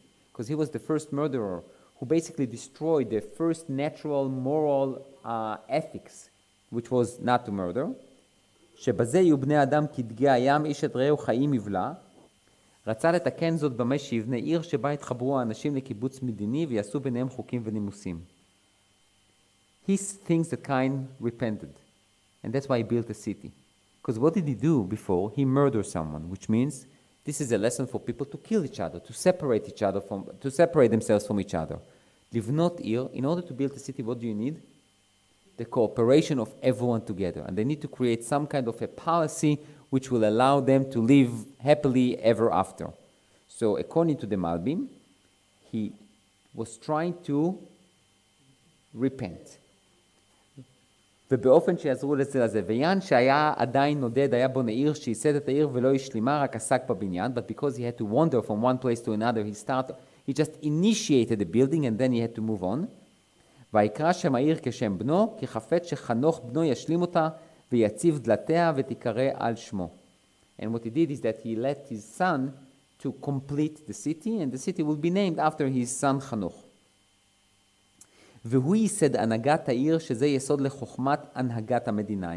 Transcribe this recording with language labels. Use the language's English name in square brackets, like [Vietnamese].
[English] Because he was the first murderer who basically destroyed the first natural moral ethics, which was not to murder. [Hebrew] שבזה יהיו בני אדם כדגי הים איש את ראהו חיים יבלע, רצה לתקן זאת במה שיבנה עיר שבה התחברו האנשים לקיבוץ מדיני ויעשו ביניהם חוקים ונימוסים. [English] He thinks that Cain repented, and that's why he built a city. Because what did he do before? He murdered someone, which means this is a lesson for people to kill each other, to separate themselves from each other. [Hebrew] לבנות עיר, [English] in order to build a city, what do you need? The cooperation of everyone together. And they need to create some kind of a policy which will allow them to live happily ever after. So according to the Malbim, he was trying to repent. [Hebrew] ובאופן שיעזרו לזה לזה, ויין שהיה עדיין נודד, היה בו נעיר, שיסד את העיר ולא ישלימה, רק עסק בבניין, [English] but because he had to wander from one place to another, he just initiated the building and then he had to move on. [Hebrew] ויקרא שם העיר כשם בנו, כי חפץ שחנוך בנו ישלים אותה, ויציב דלתיה ותיקרא על שמו. [English] And what he did is that he let his son to complete the city, and the city will be named after his son חנוך. [Hebrew] והוא ייסד הנהגת העיר, שזה יסוד לחוכמת הנהגת המדינה.